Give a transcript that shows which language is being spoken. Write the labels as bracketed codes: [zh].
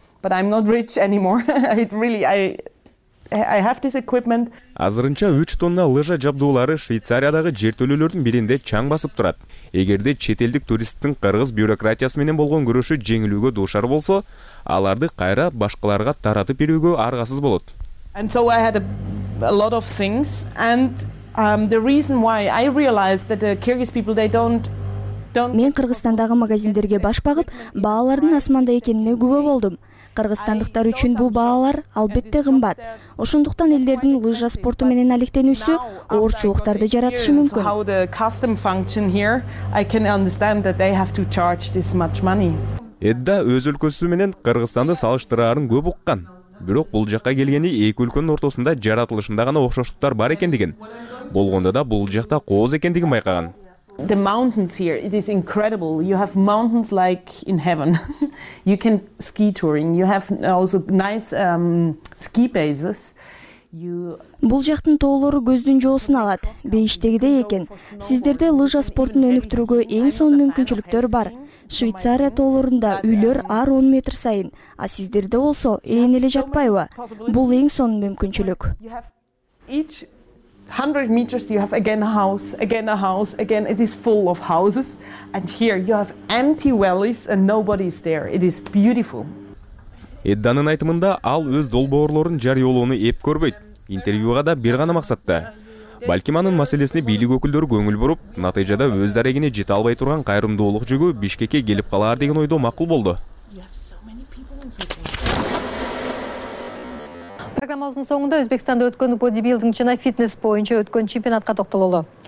[en] But I'm not rich anymore. I have this equipment. [ky] Азырынча 3 тонна лыжа жабдуулары Швейцариядагы жертөлөлөрдүн биринде чаң басып турат. Эгерде чет элдик туристтин кыргыз бюрократиясы менен болгон күрөшү жеңилүүгө дуушар болсо, аларды кайра башкаларга таратып берүүгө аргасыз болот. [en] And so I had a lot of things and the reason why I realized that the Kyrgyz people they don't [ky] Мен Кыргызстандагы магазиндерге баш багып, баалардын асманда экенине күбө болдум. Кыргызстандыктар үчүн бул баалар албетте кымбат. Ошондуктан элдердин лыжа спорту менен алектенүүсү оорчулуктарды жаратышы мүмкүн. [en] How the custom function here, I can understand that they have to charge this much money. [ky] Эдда өз өлкөсү менен Кыргызстанды салыштыраарын көп уккан. Бирок бул жакка келгени эки өлкөнүн ортосунда жаратылышында гана окшоштуктар бар экендигин. Болгондо да бул жакта кооз экендигин байкаган. [en] The mountains here, it is incredible. You have mountains like in heaven. You can ski touring. You have also nice ski bases. [ky] Бул жактын тоолору көздүн жоосун алат. Бейиштегидей экен. Сиздерде лыжа спортун өнүктүрүүгө эң сонун мүмкүнчүлүктөр бар. Швейцария тоолорунда үйлөр ар 10 метр сайын, а сиздерде болсо ээн эле жатпайбы? Бул эң сонун мүмкүнчүлүк. [en] 100 meters you have again a house, again a house, again it is full of houses and here you have empty valleys and nobody is there. It is beautiful. [ky] Эдданын айтымында ал өз долбоорлорун жарыялоону эп көрбөйт. Интервьюга да бир гана максатта. Балким анын маселесине бийлик өкүлдөрү көңүл буруп, натыйжада өз дарегине жете албай турган кайрымдуулук жүгү Бишкекке келип калар деген ойдо макул болду. Программамыздын соңунда Өзбекстанда өткөн бодибилдинг жана фитнес боюнча өткөн чемпионатка токтололу.